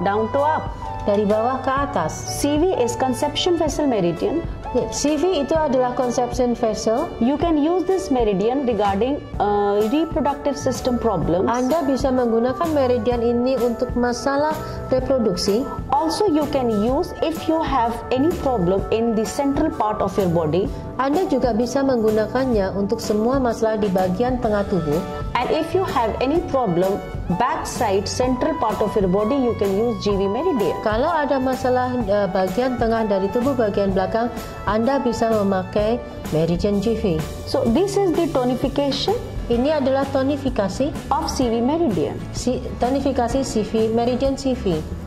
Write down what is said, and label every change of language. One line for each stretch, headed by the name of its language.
English: Down to up.
Indonesian: Dari bawah ke atas.
English: CV is conception vessel meridian.
Indonesian: CV itu adalah conception vessel.
English: You can use this meridian regarding reproductive system problems.
Indonesian: Anda bisa menggunakan meridian ini untuk masalah reproduksi.
English: Also you can use if you have any problem in the central part of your body.
Indonesian: Anda juga bisa menggunakannya untuk semua masalah di bagian tengah tubuh.
English: And if you have any problem backside central part of your body, you can use GV meridian.
Indonesian: Kalau ada masalah bagian tengah dari tubuh bagian belakang, Anda bisa memakai meridian GV.
English: So this is the tonification.
Indonesian: Ini adalah tonifikasi
English: of CV meridian.
Indonesian: Tonifikasi CV meridian CV.